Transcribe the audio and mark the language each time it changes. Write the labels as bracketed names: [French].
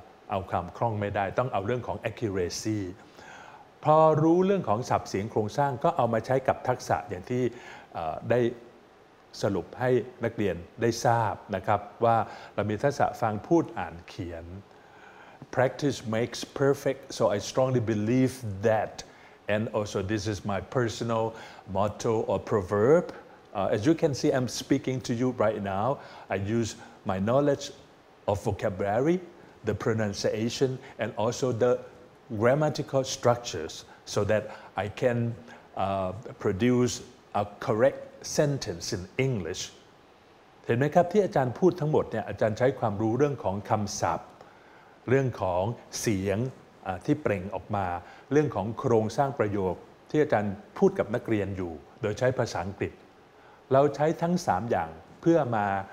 [Thai] เอาความคล่องไม่ได้ต้องเอาเรื่องของ accuracy พอรู้เรื่องของศัพท์เสียงโครงสร้างก็เอามาใช้กับทักษะอย่างที่ได้สรุปให้นักเรียนได้ทราบนะครับว่าเรามีทักษะฟังพูดอ่านเขียน [English] Practice makes perfect, so I strongly believe that. And also, this is my personal motto or proverb. As you can see, I'm speaking to you right now. I use my knowledge of vocabulary, the pronunciation, and also the grammatical structures so that I can produce a correct sentence in English. [Thai] เห็นไหมครับที่อาจารย์พูดทั้งหมดเนี่ยอาจารย์ใช้ความรู้เรื่องของคำศัพท์เรื่องของเสียงที่เปล่งออกมาเรื่องของโครงสร้างประโยคที่อาจารย์พูดกับนักเรียนอยู่โดยใช้ภาษาอังกฤษเราใช้ทั้ง3อย่างเพื่อมา